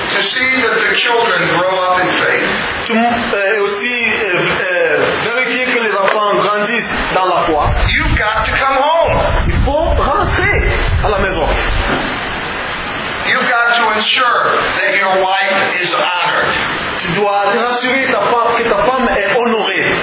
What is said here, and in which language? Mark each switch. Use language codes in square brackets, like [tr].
[en] to see that the children grow up in faith, [fr] aussi vérifier que les enfants grandissent dans la foi. [en] You've got to come home. [fr] Il faut rentrer à la maison. [en] You've got to ensure that your wife is honored. [fr] Tu dois t'assurer que ta femme est honorée.